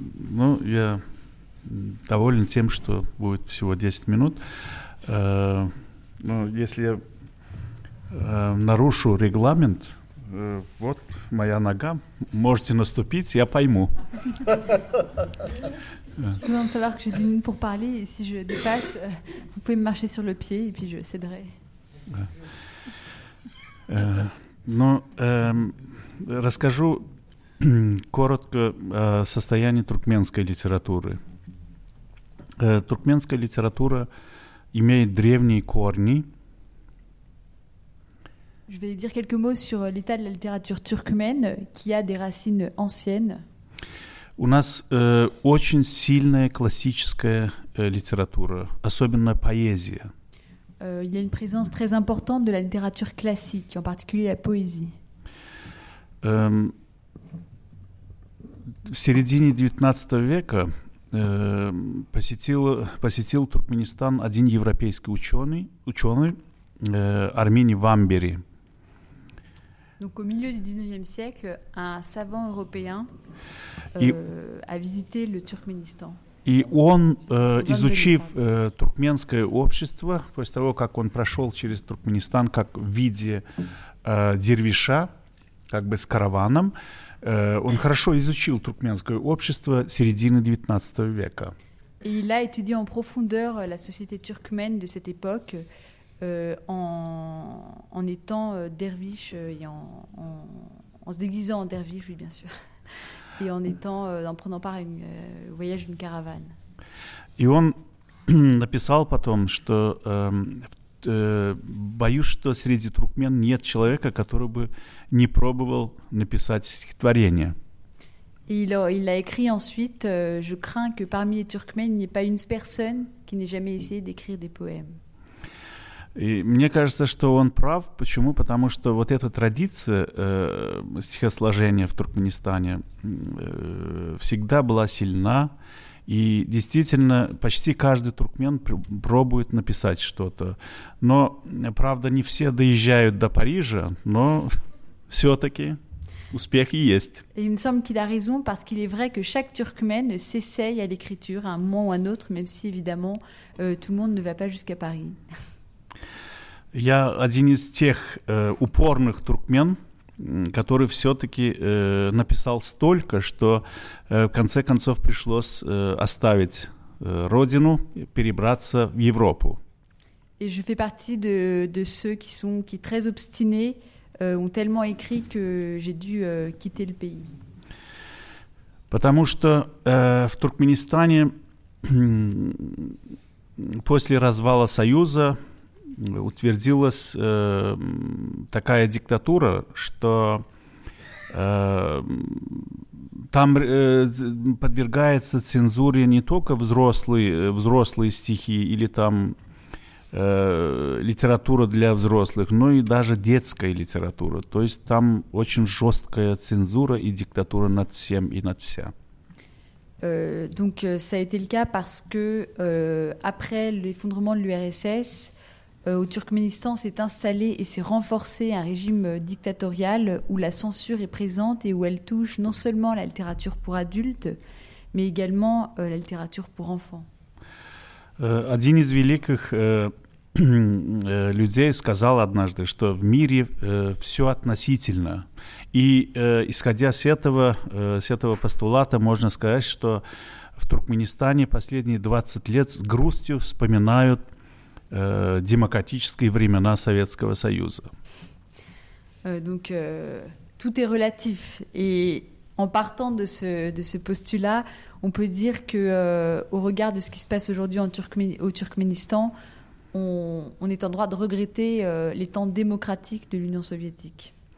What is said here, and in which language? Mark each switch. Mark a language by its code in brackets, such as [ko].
[ru] Ну, я доволен тем, что будет всего 10 минут. Ну, если я нарушу регламент, вот моя нога, можете наступить, я пойму. [fr] Je demande de savoir que j'ai 10 minutes pour parler et si je dépasse, vous pouvez me marcher sur le pied et puis je céderai. [ru] Ну, расскажу коротко о состоянии туркменской литературы. Туркменская литература имеет древние корни. [fr] Je vais dire quelques mots sur l'état de la littérature turkmène qui a des racines anciennes. [ru] У нас очень сильная классическая литература, особенно поэзия. [fr] Il y a une présence très importante de la littérature classique, en particulier la [ru] поэзия. В середине 19 века посетил Туркменистан один европейский ученый Армени Вамбери. [fr] Donc au milieu du 19e siècle, un savant européen a visité le Turkménistan. [ru] И он, изучив туркменское общество, после того, как он прошел через Туркменистан как в виде дервиша, как бы с караваном, он хорошо изучил туркменское общество середины 19 века. [fr] Et il a étudié en profondeur la société turkmène de cette époque, en étant derviche et en se déguisant en derviche, oui, bien sûr, et en étant en prenant part à un voyage d'une caravane. [ru] И он написал потом, что боюсь, что среди туркмен нет человека, который бы не пробовал написать стихотворение. [fr] Et il a écrit ensuite, je crains que parmi les Turkmènes, il n'y ait pas une personne qui n'ait jamais essayé d'écrire des poèmes. [ru] И мне кажется, что он прав. Почему? Потому что вот эта традиция стихосложения в Туркменистане всегда была сильна. И действительно, почти каждый туркмен пробует написать что-то. Но, правда, не все доезжают до Парижа, но все-таки успех и есть. [fr] Et il me semble qu'il a raison, parce qu'il est vrai que chaque Turkmen s'essaye à l'écriture à un moment ou à un autre, même si, évidemment, tout le monde ne va pas jusqu'à Paris. [ru] Я один из тех упорных туркмен, который все-таки написал столько, что в конце концов пришлось оставить родину, перебраться в Европу. [fr] Et je fais partie de ceux qui très obstinés ont tellement écrit que j'ai dû quitter le pays. [ru] Потому что в Туркменистане после развала Союза утвердилась такая диктатура, что там подвергается цензуре не только взрослые стихи или там литература для взрослых, но и даже детская литература. То есть там очень жесткая цензура и диктатура над всем и над вся. [fr] Donc ça a été le cas parce que après l'effondrement de l'URSS, au Turkménistan s'est installé et s'est renforcé un régime dictatorial où la censure est présente et où elle touche non seulement la littérature pour adultes, mais également la littérature pour enfants. [ru] Один из великих людей сказал однажды, что в мире все относительно. И исходя с этого постулата, можно сказать, что в Туркменистане последние 20 лет с грустью вспоминают демократические времена Советского Союза. [fr] Donc, tout est relatif. Et en partant de ce postulat, on peut dire que, au regard de ce qui se passe aujourd'hui au Turkménistan, on est en droit de regretter les temps démocratiques de l'Union soviétique.